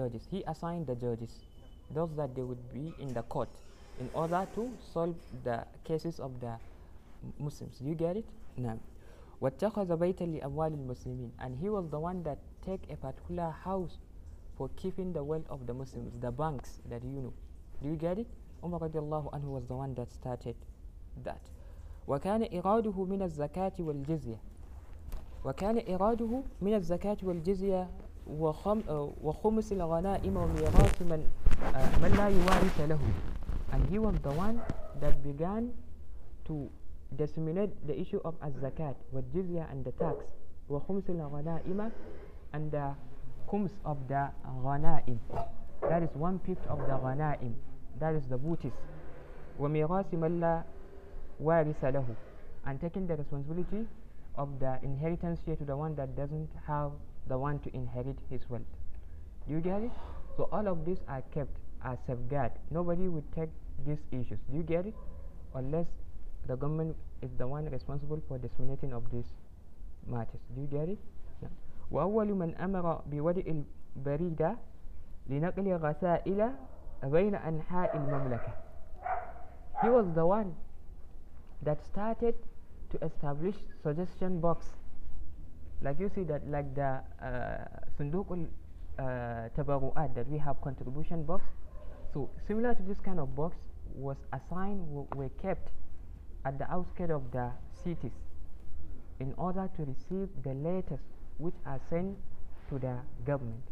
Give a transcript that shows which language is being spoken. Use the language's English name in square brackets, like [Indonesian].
[English] He assigned the judges, those that they would be in the court in order to solve the cases of the Muslims. You get it? نعم. [Arabic] واتخذ بيتا لأموال المسلمين. [English] And he was the one that take a particular house for keeping the wealth of the Muslims, the banks that you know. Do you get it? Umar رضي الله عنه was the one that started that. [Arabic] وكان إراده من الزكاة والجزية. وكان إراده من الزكاة والجزية وخمس الغنائم وميراث من لا يوارث له. [English] And he was the one that began to disseminate the issue of al-zakat, wal-jizya, and the tax. [Arabic] وخمس الغنائم, [English] and the khums of the غنائم. That is one fifth of the غنائم. That is the booties. [Arabic] وميراث من لا وارث له. [English] And taking the responsibility of the inheritance here to the one that doesn't have the one to inherit his wealth. Do you get it? So all of these are kept as safeguard. Nobody would take these issues. Do you get it? Unless the government is the one responsible for disseminating of these matters. Do you get it? No. [Arabic] وأول من أمر بوضع البريدة لنقل الرسائل بين أنحاء المملكة. [English] He was the one that started to establish suggestion box. Like you see that, like the Sunduk al-Tabaru'at that we have contribution box. So similar to this kind of box was assigned, were kept at the outskirts of the cities in order to receive the letters which are sent to the government.